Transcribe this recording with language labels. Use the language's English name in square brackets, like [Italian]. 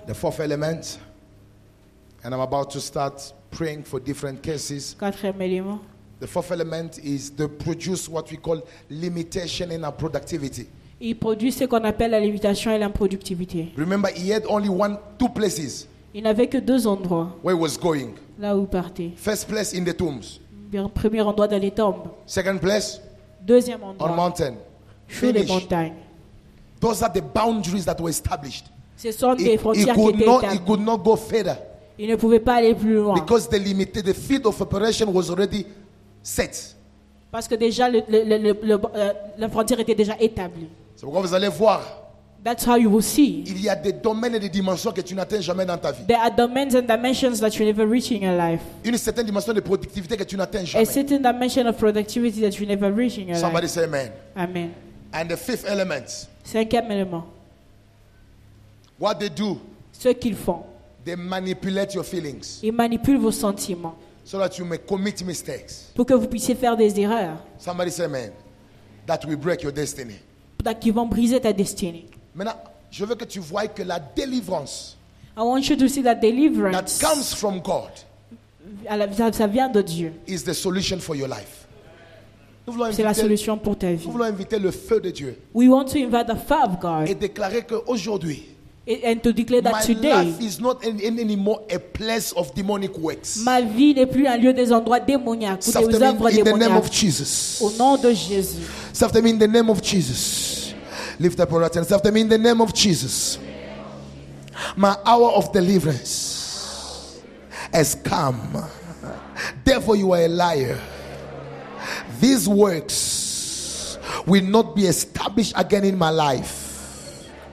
[English] The fourth element, and I'm about to start praying for different cases. [French] Quatrième élément. [English] The fourth element is to produce what we call limitation in our productivity. [French] Il produit ce qu'on appelle la limitation et l'improductivité. [English] Remember, he had only one, two places. [French] Il n'avait que deux endroits. [English] Where he was going. [French] Là où il partait. [English] First place in the tombs. [French] Premier endroit dans les tombes. [English] Second place. [French] Deuxième endroit. [English] On mountain. [French] Sur les montagnes. [English] Those are the boundaries that were established. [French] Ce sont des frontières qui étaient établies. [English] He could not go further. [French] Il ne pouvait pas aller plus loin. [English] Because the limited the field of operation was already set. [French] Parce que déjà la frontière était déjà établie. C'est pourquoi vous allez voir. [English] That's how you will see. [French] Il y a des domaines et des dimensions que tu n'atteins jamais dans ta vie. [English] There are domains and dimensions that you never reach in your life. [French] Une certaine dimension de productivité que tu n'atteins jamais. [English] A certain dimension of productivity that you never reach in your Somebody life. Somebody say amen. Amen. And the fifth element. [French] Cinquième élément. [English] What they do. [French] Ce qu'ils font. [English] They manipulate your feelings. [French] Ils manipulent vos sentiments. [English] So that you may commit mistakes. [French] Pour que vous puissiez faire des erreurs. [English] Somebody say amen. That will break your destiny. [French] Qui vont briser ta destinée. Maintenant, je veux que tu vois que la délivrance. [English] I want you to see that deliverance. That comes from God. [French] Ça vient de Dieu. [English] Is the solution for your life. [French] Nous voulons inviter, c'est la solution pour ta vie. Nous voulons inviter le feu de Dieu. [English] We want to invite the fire of God. [French] Et déclarer que aujourd'hui. [English] And to declare that my today, life is not anymore a place of demonic works. [French] Ma vie n'est plus un lieu des endroits démoniaques ou des œuvres démoniaques. [English] In the name of Jesus. [French] Au nom de Jésus. [English] Save them in the name of Jesus. Lift up your hands. Save them in the name of Jesus. My hour of deliverance has come. Therefore, you are a liar. These works will not be established again in my life.